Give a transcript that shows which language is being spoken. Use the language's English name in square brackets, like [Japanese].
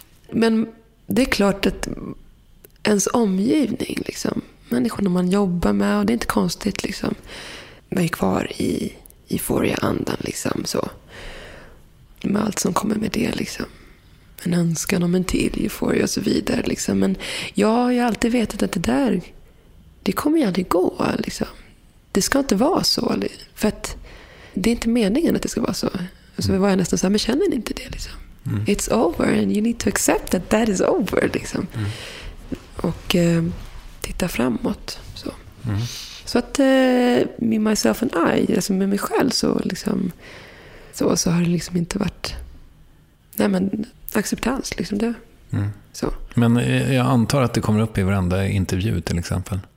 [Swedish] Men det är klart att ens omgivning liksom, människorna man jobbar med, och det är inte konstigt liksom, man är kvar i euforia-andan liksom, så med allt som kommer med det liksom. En önskan om en till euforia och så vidare liksom. Men jag har ju alltid vetat att det där, det kommer ju aldrig gå liksom. Det ska inte vara så, för att det är inte meningen att det ska vara så. Så var jag nästan så här, men känner ni inte det liksom? Mm. [English] It's over and you need to accept that that is over [Swedish] liksom. Mm. Och titta framåt så. Mm. Så att [English] me, myself and I, [Swedish] alltså med mig själv, så liksom, så har det liksom inte varit, nej men acceptans liksom det. Mm. Så. Men jag antar att det kommer upp i varenda intervju till exempel.